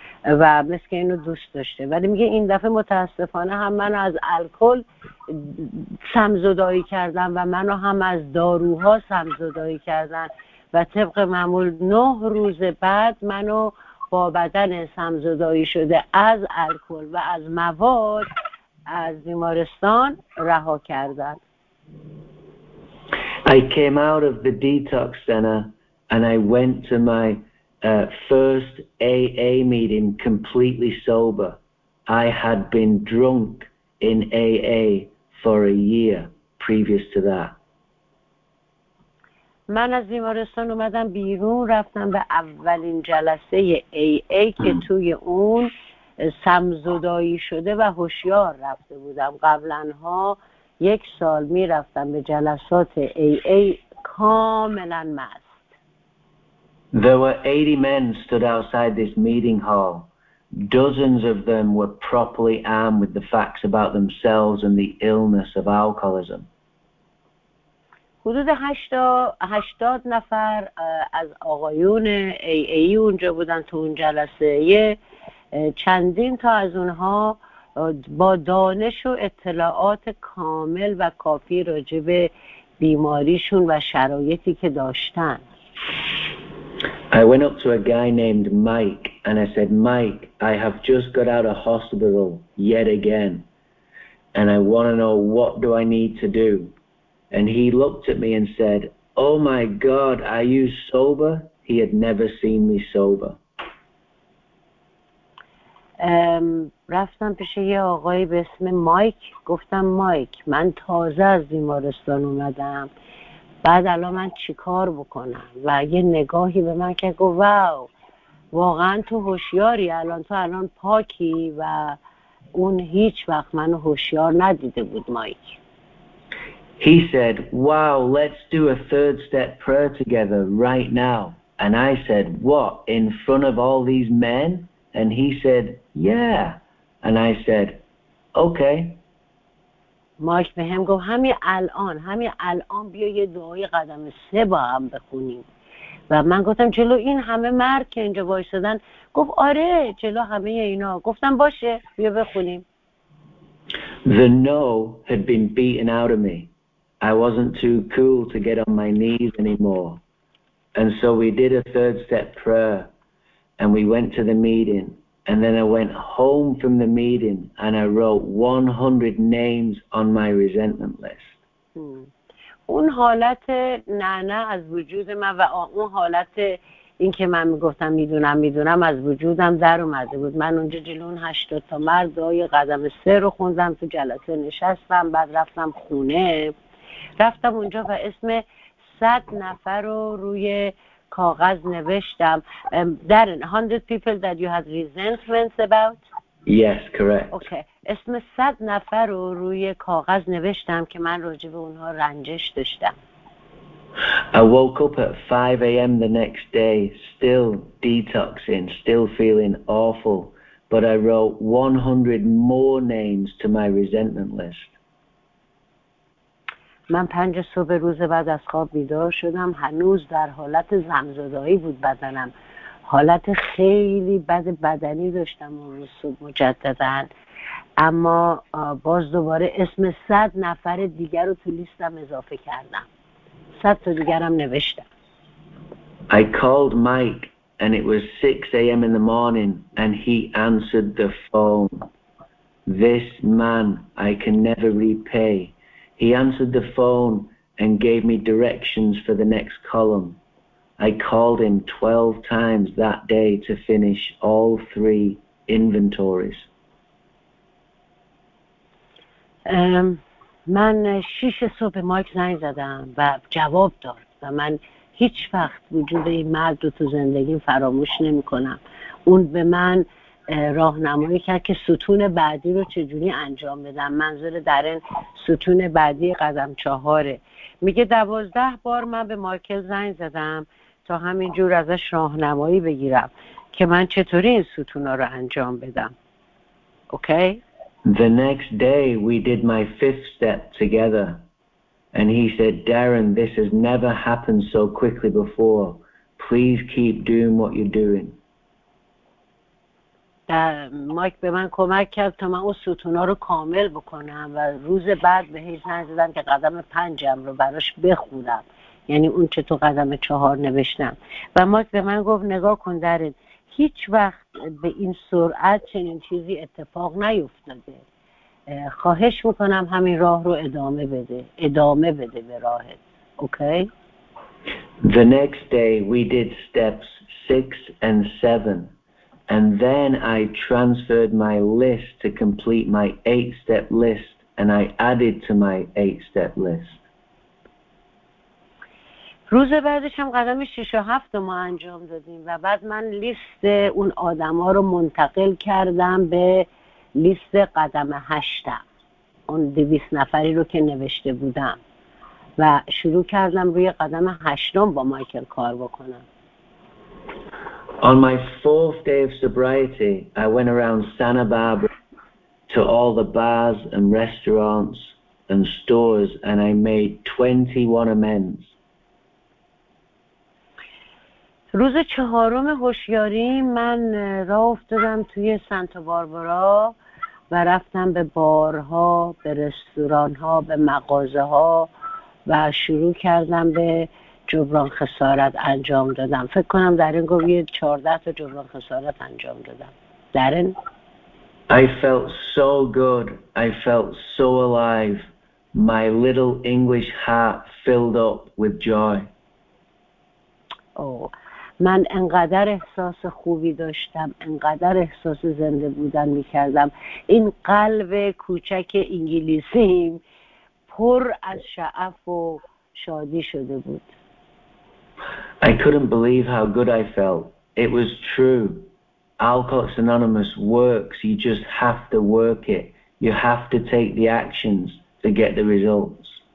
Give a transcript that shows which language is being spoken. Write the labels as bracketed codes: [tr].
[fa] و مثل که اینو دوست داشته، ولی میگه این دفعه متاسفانه هم منو از الکل سمزدایی کردن و منو هم از داروها سمزدایی کردن و طبق معمول 9 روز بعد منو با بدن سمزدایی شده از الکل و از مواد از بیمارستان رها کردن. [en] I came out of the detox center and I went to my first AA meeting completely sober. I had been drunk in AA for a year previous to that. [fa] من از بیمارستان اومدم بیرون، رفتم به اولین جلسه AA که توی اون سمزدایی شده و هوشیار رفته بودم. قبلنها 1 سال می رفتم به جلسات AA کاملا مست. [en] There were 80 men stood outside this meeting hall. Dozens of them were properly armed with the facts about themselves and the illness of alcoholism. [fa] حدود 80 نفر از آقایون AA اونجا بودن تو اون جلسه. چندین تا از اونها با دانش و اطلاعات کامل و کافی راجع به بیماریشون و شرایطی که داشتن. [en] I went up to a guy named Mike and I said, Mike, I have just got out of hospital yet again and I want to know what do I need to do. And he looked at me and said, oh my God, are you sober? He had never seen me sober. [fa] رفتم پیش یه آقای به اسم مایک. گفتم مایک من تازه از بیمارستان اومدم، بعد الان من چی کار بکنم؟ و یه نگاهی به من که گفت واو، واقعا تو هوشیاری الان، تو الان پاکی. و اون هیچ وقت منو هوشیار ندیده بود مایک. [en] He said, wow, let's do a third step prayer together right now. And I said, what, in front of all these men? And he said, yeah. And I said, okay. [fa] مایک به هم گفت همین الان بیا یه دعای قدم سه با هم بخونیم. و من گفتم جلو این همه مرد که اینجا وایسادن؟ گفت آره جلو همه اینا. گفتم باشه بیا بخونیم. [en] The no had been beaten out of me. I wasn't too cool to get on my knees anymore. And so we did a third step prayer and we went to the meeting. And then I went home from the meeting and I wrote 100 names on my resentment list. [fa] اون حالت نه از وجود من و اون حالت این که من میگفتم میدونم از وجودم در اومده بود. من اونجا جلون 80 تا مرد دعای قدم سه رو خوندم، تو جلسه نشستم، بعد رفتم خونه. رفتم اونجا و اسم 100 نفر رو روی کاغذ نوشتم. [en] در 100 people that you had resentments about? Yes, correct. Okay. [fa] اسم 100 نفر رو روی کاغذ نوشتم که من راجع به اونها رنجش داشتم. [en] I woke up at 5 a.m. the next day, still detoxing, still feeling awful, but I wrote 100 more names to my resentment list. [fa] من 5 صبح روز بعد از خواب بیدار شدم، هنوز در حالت زمزدایی بود بدنم، حالت خیلی بد بدنی داشتم اون روز مجددن، اما باز دوباره اسم 100 نفر دیگر رو تو لیستم اضافه کردم، 100 تا دیگرم نوشتم. [en] I called Mike and it was 6 a.m. in the morning and he answered the phone. This man I can never repay. He answered the phone and gave me directions for the next column. I called him 12 times that day to finish all 3 inventories. [fa] من 6 صبح مایک زنگ زدم و جواب داد و من هیچ وقت وجود این مرد رو تو زندگی فراموش نمی کنم. اون به من راهنمایی کرد که ستون بعدی رو چجوری انجام بدم. منظور در این ستون بعدی قدم 4. میگه 12 بار من به مایکل زنگ زدم تا همینجور ازش راهنمایی بگیرم که من چطوری این ستونا رو انجام بدم. اوکی؟ [en] The next day we did my 5th step together and he said, Darren, this has never happened so quickly before. Please keep doing what you're doing. [fa] مایک به من کمک کرد تا من اون ستونا رو کامل بکنم و روز بعد به هیچ نزدم که قدم 5 رو براش بخونم، یعنی اون چه تو قدم 4 نوشتم. و مایک به من گفت نگاه کن درین، هیچ وقت به این سرعت چنین چیزی اتفاق نیفتاده، خواهش میکنم همین راه رو ادامه بده، ادامه بده به راهت. اوکی؟ [en] The next day we did steps 6 and 7 and then I transferred my list to complete my 8 step list and I added to my 8 step list. [fa] روز بعدش هم قدم 6 و 7 رو ما انجام دادیم و بعد من لیست اون آدم ها رو منتقل کردم به لیست قدم 8، اون 200 نفری رو که نوشته بودم، و شروع کردم روی قدم 8 با مایکل کار بکنم. [en] On my 4th day of sobriety, I went around Santa Barbara to all the bars and restaurants and stores and I made 21 amends. [fa] روز 4 هوشیاری من راه افتادم توی سانتا باربارا و رفتم به بارها، به رستورانها، به مغازه‌ها و شروع کردم به جبران خسارت انجام دادم. فکر کنم در این گویی 14 تا جبران خسارت انجام دادم. در این [en] I felt so good. I felt so alive. My little English heart filled up with joy. [fa] من انقدر احساس خوبی داشتم، انقدر احساس زنده بودن می‌کردم. این قلب کوچک انگلیسیم پر از شعف و شادی شده بود. [en] I couldn't believe how good I felt. It was true. Alcoholics Anonymous works. You just have to work it. You have to take the actions to get the results.